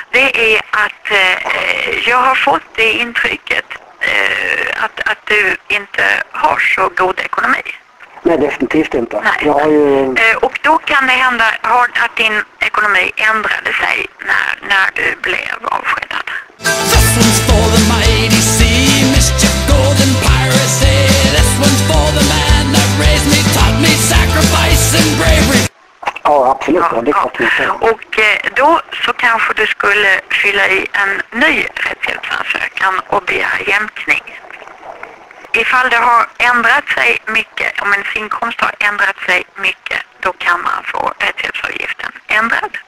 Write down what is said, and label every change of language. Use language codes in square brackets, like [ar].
[sv] Det är att jag har fått det intrycket att du inte har så god ekonomi. Nej, definitivt inte. Nej. Jag har ju... Och då kan det hända att din ekonomi ändrade sig när du blev avskedad. [en] This one's for the mighty sea, mischief, golden piracy. This one's for the man that raised me, taught me sacrifice and bravery. [sv] Ja, absolut. Ja, det är klart. Och då så kanske du skulle fylla i en ny rättshjälpsansökan och begära jämkning. Ifall det har ändrat sig mycket, om ens inkomst har ändrat sig mycket, då kan man få rättshjälpsavgiften ändrad.